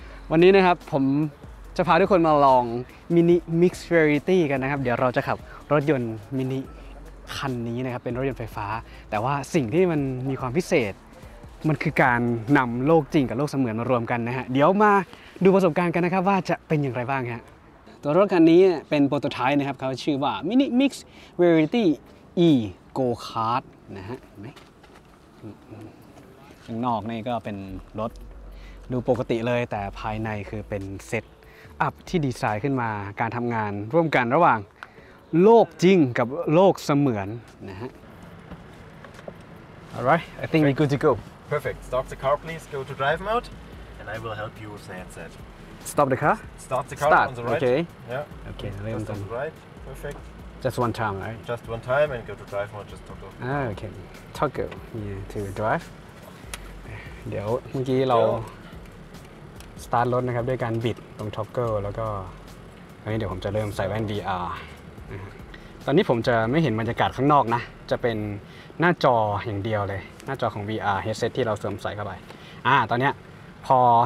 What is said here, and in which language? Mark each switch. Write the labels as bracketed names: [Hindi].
[Thai] วันนี้นะครับผมจะพาทุกคนมาลองมินิมิกซ์เวอริตี้กันนะครับเดี๋ยวเราจะขับรถยนต์มินิคันนี้นะครับเป็นรถยนต์ไฟฟ้าแต่ว่าสิ่งที่มันมีความพิเศษมันคือการนำโลกจริงกับโลกเสมือนมารวมกันนะฮะเดี๋ยวมาดูประสบการณ์กันนะครับว่าจะเป็นอย่างไรบ้างฮะตัวรถคันนี้เป็นโปรโตไทป์นะครับเขาชื่อว่ามินิมิกซ์เวอริตี้อีโกคาร์ดนะฮะไหม ข้างนอกนี่ก็เป็นรถดูปกติเลยแต่ภายในคือเป็นเซตอัพที่ดีไซน์ขึ้นมาการทำงานร่วมกันระหว่างโลกจริงกับโลกเสมือนนะฮะ [English] Alright, I think we're good to go. Perfect. Stop the car, please. Go to drive mode, and I will help you with the headset. Stop the car. Start the car. Start. On the right. Okay. Yeah. Okay. Just on the right. Perfect. Just one time, right? Just one time, and go to drive mode. Just toggle. Ah, okay. Toggle. Yeah. To drive. [Thai] เดี๋ยวเมื่อกี้เราสตาร์ทรถนะครับด้วยการบิดตรงท็อกเกิลแล้วก็ตอนนี้เดี๋ยวผมจะเริ่มใส่แว่น VR ตอนนี้ผมจะไม่เห็นบรรยากาศข้างนอกนะจะเป็นหน้าจออย่างเดียวเลยหน้าจอของ VR headset ที่เราสวมใส่เข้าไปตอนนี้พอ